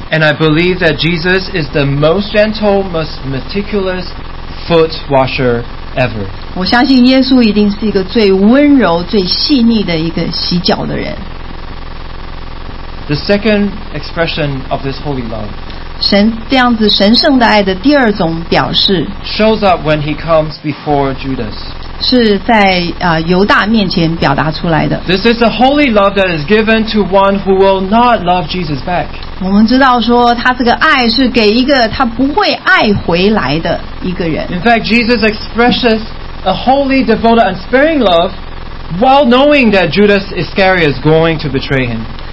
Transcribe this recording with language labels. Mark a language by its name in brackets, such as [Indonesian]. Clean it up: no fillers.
[English] And I believe that Jesus is the most gentle, most meticulous foot washer ever. [Chinese] 我相信耶稣一定是一个最温柔、最细腻的一个洗脚的人。 [English] The second expression of this holy love. [Chinese] 神这样子神圣的爱的第二种表示 [English] shows up when he comes before Judas. [Chinese] 是在, 犹大面前表达出来的。 [English] This is a holy love that is given to one who will not love Jesus back. [Chinese] 我们知道说他这个爱是给一个他不会爱回来的一个人。 [English] In fact, Jesus expresses a holy, devoted, unsparing love while knowing that Judas Iscariot is going to betray him.